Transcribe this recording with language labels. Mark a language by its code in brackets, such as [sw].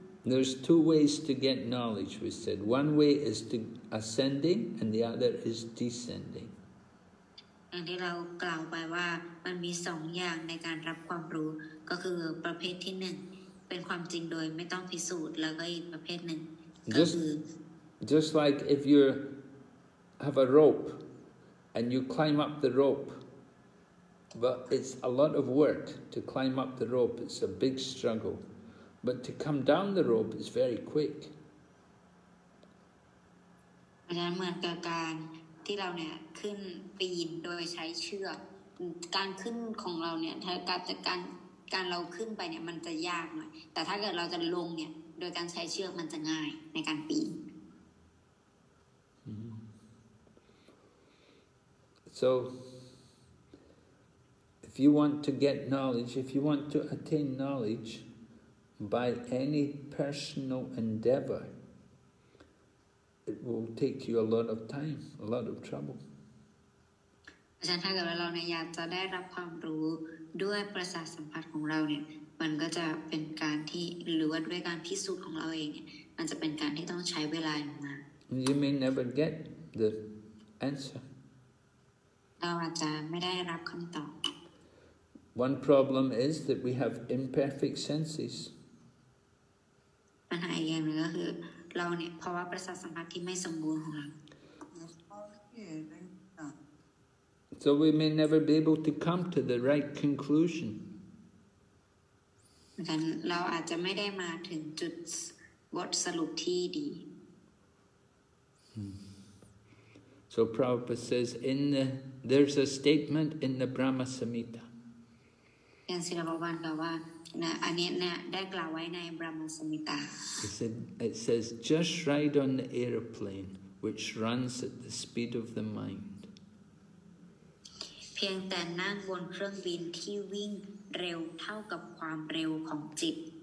[en] There's two ways to get knowledge, we said. One way is to ascending and the other is descending. [th] อย่างที่เรากล่าวไปว่ามันมีสองอย่างในการรับความรู้ก็คือประเภทที่หนึ่งเป็นความจริงโดยไม่ต้องพิสูจน์แล้วก็อีกประเภทหนึ่งก็คือ [en] just like if you have a rope and you climb up the rope but it's a lot of work to climb up the rope it's a big struggle but to come down the rope is very quick [th] อันนั้นเหมือนกับการที่เราเนี่ยขึ้นปีนโดยใช้เชือกการขึ้นของเราเนี่ยถ้าการเราขึ้นไปเนี่ยมันจะยากหน่อยแต่ถ้าเกิดเราจะลงเนี่ยโดยการใช้เชือกมันจะง่ายในการปีน [en] So if you want to get knowledge if you want to attain knowledge by any personal endeavorIt will take you a lot of time, a lot of trouble. [th] ฉะนั้นถ้าเกิดเราเนี่ยอยากจะได้รับความรู้ด้วยประสาทสัมผัสของเราเนี่ยมันก็จะเป็นการที่หรือว่าด้วยการพิสูจน์ของเราเองเนี่ยมันจะเป็นการที่ต้องใช้เวลาอย่างนาน [en] You may never get the answer. [th] เราอาจจะไม่ได้รับคำตอบ [en] One problem is that we have imperfect senses. [th] ปัญหาอีกอย่างนึงก็คือเราเนี่ยเพราะว่าประสาทสัมผัสที่ไม่สมบูรณ์ของเรา [en] So we may never be able to come to the right conclusion. [th] เราอาจจะไม่ได้มาถึงจุดบทสรุปที่ดี [en] So Prabhupada says in the there's a statement in the Brahma Samhita. [th] ยังศิลปวันกล่าวว่านะอันนี้นะได้กล่าวไว้ใน Brahma Samhita [en] it says just ride on the aeroplane which runs at the speed of the mind [th] เพียงแต่นั่งบนเครื่องบินที่วิ่งเร็วเท่ากับความเร็วของจิต